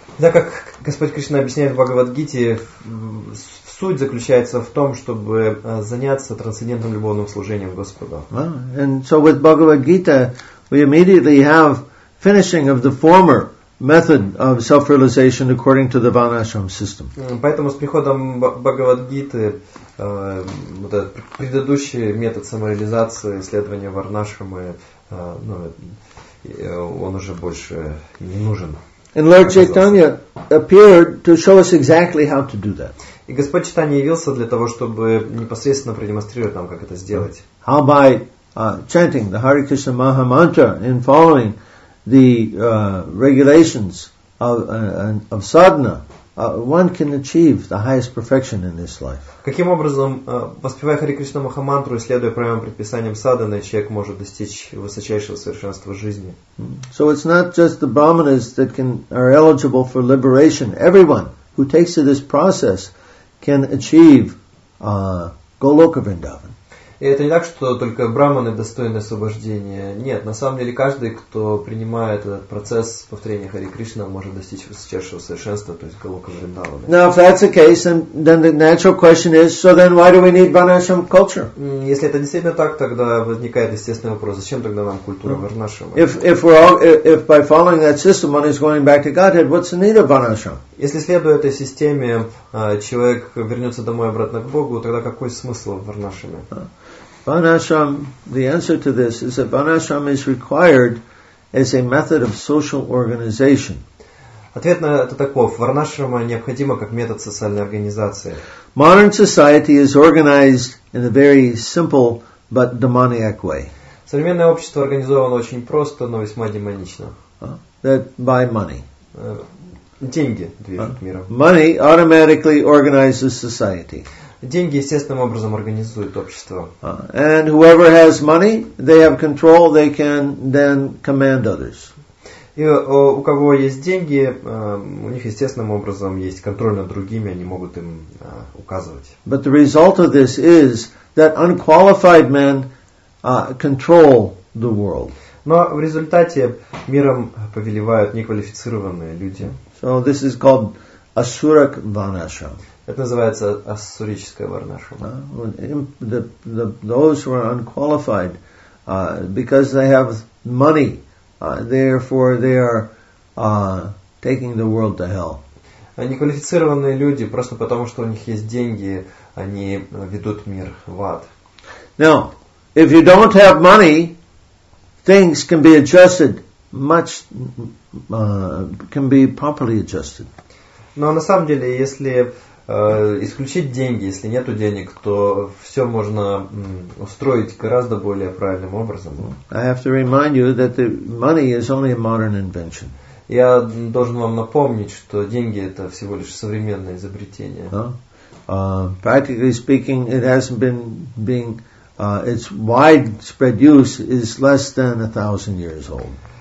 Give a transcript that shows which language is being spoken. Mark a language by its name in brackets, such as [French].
[Russian] Да, как Господь Кришна объясняет в Бхагавад-гите, суть заключается в том, чтобы заняться трансцендентным любовным служением Господу. [English] And so with Bhagavad-gita, we immediately have finishing of the former method of self-realization according to the Vanashram system. [Russian] Поэтому с приходом Бхагавад-гиты вот этот предыдущий метод самореализации, исследования Варнашрамы, ну, он уже больше не нужен. [English] And Lord Chaitanya appeared to show us exactly how to do that. [Russian] И Господь Чайтанья явился для того, чтобы непосредственно продемонстрировать нам, как это сделать. [English] How by chanting the Hare Krishna Maha Mantra and following the regulations of sadhana, one can achieve the highest perfection in this life. [Russian] Каким образом, воспевая Хари Кришна Маха Мантру, следуя правилам предписаниям садханы, человек может достичь высочайшего совершенства жизни? [English] So it's not just the brahmanas that are eligible for liberation. Everyone who takes to this process can achieve Goloka Vrindavan. [Russian] И это не так, что только брахманы достойны освобождения. Нет, на самом деле каждый, кто принимает этот процесс повторения Хари Кришна, может достичь высочайшего совершенства, то есть Голока Вриндавана. [English] Now, if that's the case, then the natural question is, so then why do we need Varnashram culture? [Russian] Если это действительно так, тогда возникает естественный вопрос, зачем тогда нам культура Варнашрама? [English] If by following that system one is going back to Godhead, what's the need of Varnashram? [Russian] Если следуя этой системе, человек вернется домой обратно к Богу, тогда какой смысл в Варнашраме? [English] Varnashram, the answer to this is that Varnashram is required as a method of social organization. [Russian] Ответ на это таков. Варнашрама необходима как метод социальной организации. [English] Modern society is organized in a very simple but demoniac way. [Russian] Современное общество организовано очень просто, но весьма демонично. [English] That by money. [Russian] Деньги движут миром. [English] Money automatically organizes society. [Russian] Деньги естественным образом организуют общество. [English] And whoever has money, they have control, they can then command others. [Russian] И у кого есть деньги, у них естественным образом есть контроль над другими, они могут им указывать. [English] But the result of this is that unqualified men control the world. [Russian] Но в результате миром повелевают неквалифицированные люди. [English] So this is called Asurak Varnashram. [Russian] Это называется ассурическая варнашрама. [English] Those who are unqualified, because they have money, therefore they are taking the world to hell. [Russian] Неквалифицированные люди, просто потому что у них есть деньги, они ведут мир в ад. [English] Now, if you don't have money, things can be adjusted much, can be properly adjusted. [Russian] Но на самом деле, если исключить деньги, если нету денег, то все можно устроить гораздо более правильным образом. [English] I have to remind you that the money is only a modern invention. [Russian] Я должен вам напомнить, что деньги это всего лишь современное изобретение. [English] Practically speaking, it hasn't been being its widespread use is less than 1,000 years old.